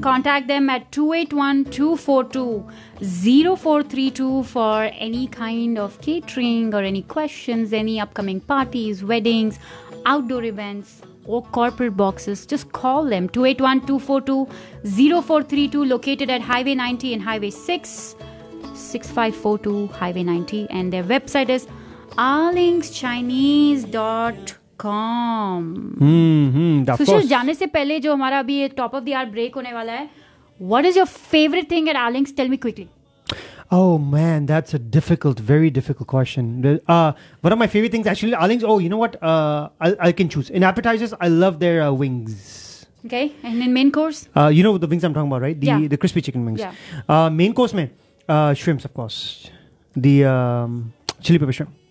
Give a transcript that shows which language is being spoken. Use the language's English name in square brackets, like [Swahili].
[English] Contact them at 281-242-0432 for any kind of catering or any questions, any upcoming parties, weddings, outdoor events, or corporate boxes. Just call them 281-242-0432, located at Highway 90 and Highway 6, 6542 Highway 90. And their website is arlingschinese.com. [Hindi] सुशील जाने से पहले जो हमारा अभी top of the our break होने वाला है [English] What is your favourite thing at Arling's tell me quickly Oh man, that's a difficult, very difficult question. One of my favorite things actually Arling's oh you know what I can choose in appetizers I love their wings. Okay, and in main course you know the wings I'm talking about right the yeah. the crispy chicken wings yeah. Main course mein shrimps of course the chili pepper shrimp